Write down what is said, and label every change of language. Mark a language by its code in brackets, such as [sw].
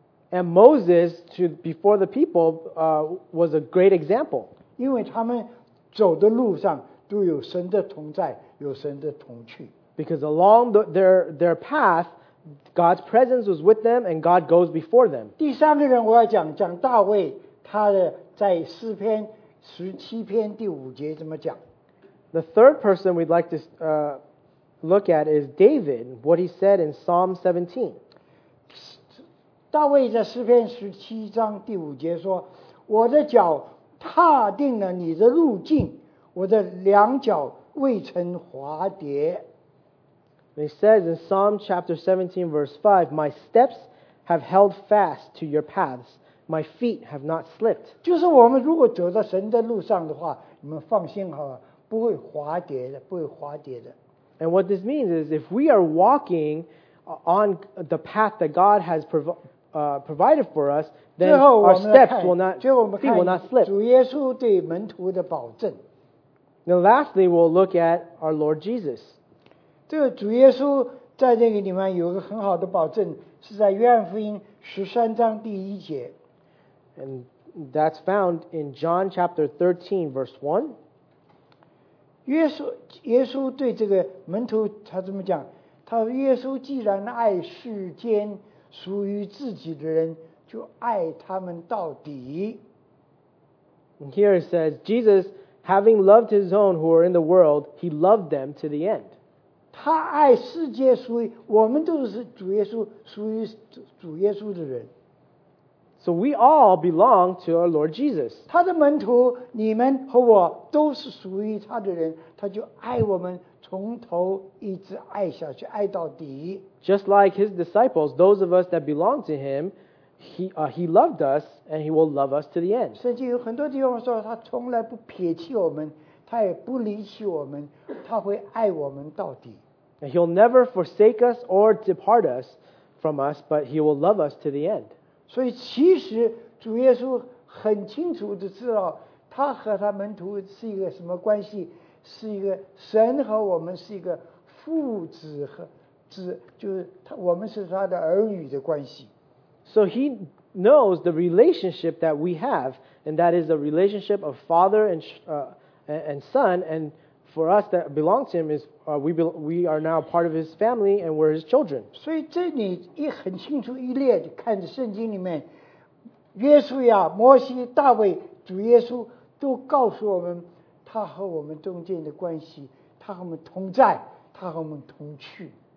[en] And Moses, before the people, was a great example. [zh] 因为他们走的路上都有神的同在，有神的同去。 [en] Because along their path, God's presence was with them, and God goes before them. [zh] 第三个人我要讲，讲大卫，他的在诗篇十七篇第五节怎么讲。 [en] The third person we'd like to look at is David, what he said in Psalm 17. [zh] 大卫在诗篇十七章第五节说，我的脚踏定了你的路径，我的两脚未曾滑跌。 [en] He says in Psalm chapter 17, verse 5, my steps have held fast to your paths. My feet have not slipped. [zh] 就是我们如果走在神的路上的话，你们放心好了，不会滑跌的，不会滑跌的。 [en] And what this means is if we are walking on the path that God has provided for us, then our steps will not slip. [zh] 主耶稣对门徒的保证。 [en] Now lastly, we'll look at our Lord Jesus. [zh] 这个主耶稣在这个里面有个很好的保证，是在约翰福音十三章第一节。 [en] And that's found in John chapter 13, verse 1. [zh] 耶稣对这个门徒他怎么讲？他说耶稣既然爱世间属于自己的人，就爱他们到底。 [en] And here it says, Jesus, having loved his own who are in the world, he loved them to the end. [zh] 他爱世界属于，我们都是主耶稣，属于主耶稣的人。 [en] So we all belong to our Lord Jesus. [zh] 他的门徒，你们和我都是属于他的人，他就爱我们从头一直爱下去，爱到底。 [en] Just like his disciples, those of us that belong to him, he loved us and he will love us to the end. [zh] 圣经有很多地方说他从来不撇弃我们，他也不离弃我们，他会爱我们到底。 [en] And he'll never forsake us or depart us from us, but he will love us to the end. [zh] 所以其实主耶稣很清楚地知道他和他门徒是一个什么关系，是一个神和我们是一个父子和子，就是他我们是他的儿女的关系。 [en] So he knows the relationship that we have, and that is a relationship of father and son, and for us that belong to him is we are now part of his family and we're his children. [zh] 所以这里也很清楚一列看着圣经里面，约书亚、摩西、大卫、主耶稣都告诉我们他和我们中间的关系，他和我们同在，他和我们同去。